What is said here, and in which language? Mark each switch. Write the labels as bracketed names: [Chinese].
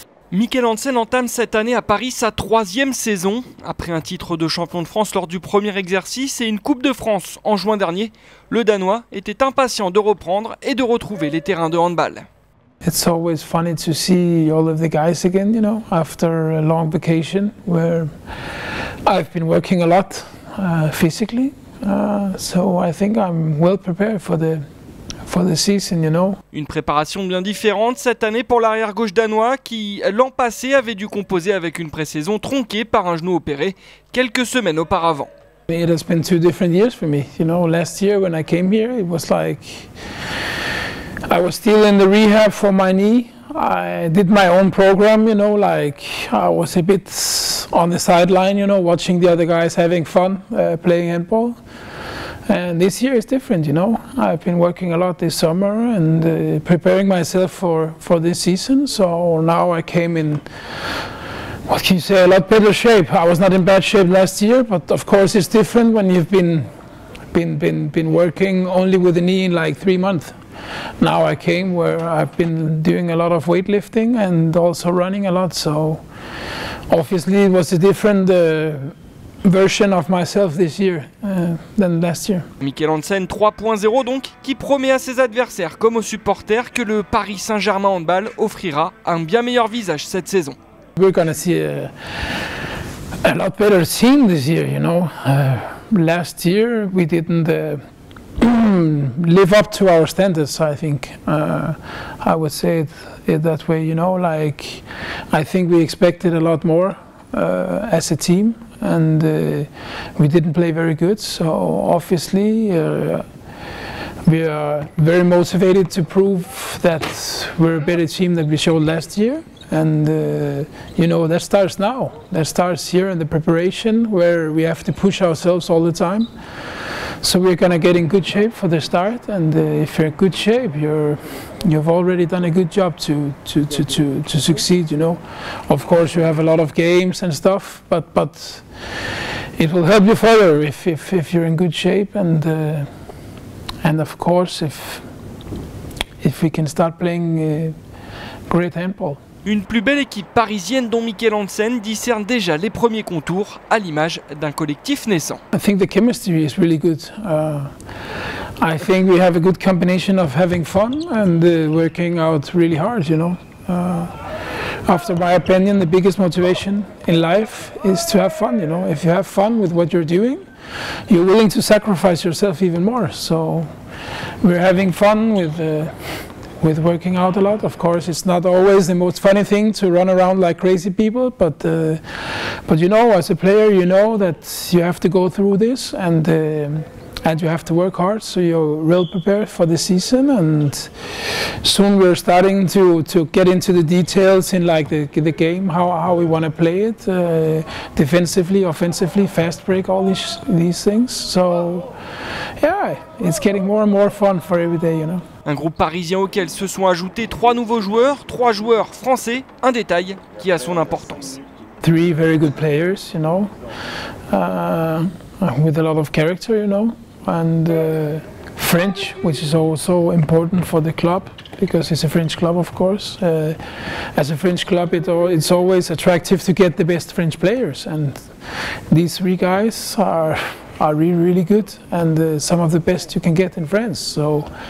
[French] Mikkel Hansen entame cette année à Paris sa troisième saison. Après un titre de champion de France lors du premier exercice et une Coupe de France en juin dernier, le Danois était impatient de reprendre et de retrouver les terrains de handball. [English] It's always funny to see all of the guys again, you know, after a long vacation where I've been working a lot physically. So I think I'm well prepared for the season, you know. [French] Une préparation bien différente cette année pour l'arrière gauche danois qui, l'an passé, avait dû composer avec une pré-saison tronquée par un genou opéré quelques semaines auparavant. [English] It has been two different years for me. You know, last year when I came here, it was like I was still in the rehab for my knee. I did my own program, you know, like I was a bit on the sideline, you know, watching the other guys having fun playing handball. And this year is different, you know. I've been working a lot this summer and preparing myself for this season. So now I came in, what can you say, a lot better shape. I was not in bad shape last year, but of course it's different when you've been working only with the knee in like 3 months. Now I came where I've been doing a lot of weightlifting and also running a lot. So obviously it was a different version of myself this year than last year. [French] Mikkel Hansen 3.0 donc, qui promet à ses adversaires comme aux supporters que le Paris Saint-Germain handball offrira un bien meilleur visage cette saison. [English] We're gonna see a lot better team this year, you know. Last year we didn't live up to our standards, I think. I would say it that way, you know, like I think we expected a lot more as a team. And we didn't play very good, so obviously we are very motivated to prove that we're a better team than we showed last year. And you know, that starts now. That starts here in the preparation where we have to push ourselves all the time. So we're gonna get in good shape for the start, and if you're in good shape, you've already done a good job to succeed, you know. Of course, you have a lot of games and stuff, but it will help you further if you're in good shape, and of course if we can start playing great handball. [French] Une plus belle équipe parisienne dont Mikkel Hansen discerne déjà les premiers contours à l'image d'un collectif naissant. [English] I think the chemistry is really good. I think we have a good combination of having fun and working out really hard, you know. After my opinion, the biggest motivation in life is to have fun, you know. If you have fun with what you're doing, you're willing to sacrifice yourself even more. So we're having fun with working out a lot. Of course, it's not always the most funny thing to run around like crazy people, but you know, as a player, you know that you have to go through this and you have to work hard, so you're real prepared for the season. And soon we're starting to get into the details in like the game, how we want to play it, defensively, offensively, fast break, all these things. So yeah, it's getting more and more fun for every day, you know. [French] Un groupe parisien auquel se sont ajoutés trois nouveaux joueurs, trois joueurs français, un détail qui a son importance. [English] Three very good players, you know, with a lot of character, you know, and French, which is also important for the club, because it's a French club, of course. As a French club, it's always attractive to get the best French players, and these three guys are really, really good, and some of the best you can get in France, so...